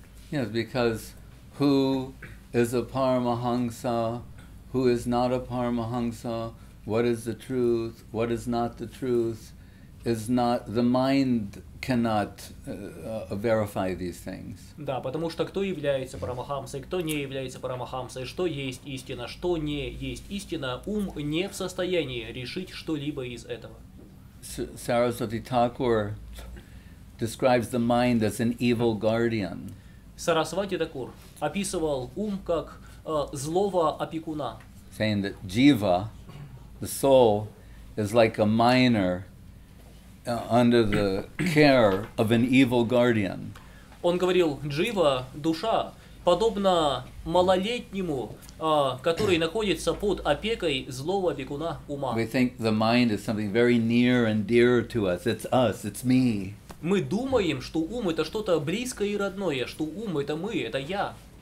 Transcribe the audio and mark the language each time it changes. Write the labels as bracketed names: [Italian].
[English] Yes, because who is a Paramahamsa, who is not a Paramahamsa, what is the truth, what is not the truth, is not, the mind cannot verify these things. [Russian] Да, потому что кто является Парамахамсой, кто не является Парамахамсой, что есть истина, что не есть истина, ум не в состоянии решить что-либо из этого. [English] Sarasvati Thakur describes the mind as an evil guardian. [Russian] Сарасвати Такур описывал ум как злого опекуна. [English] Saying that jiva, the soul, is like a minor under the care of an evil guardian. [Russian] Он говорил, джива, душа, подобно малолетнему, который находится под опекой злого опекуна ума. [English] We think the mind is something very near and dear to us, it's me. [Russian] Мы думаем, что ум — это что-то близкое и родное, что ум — это мы, это я.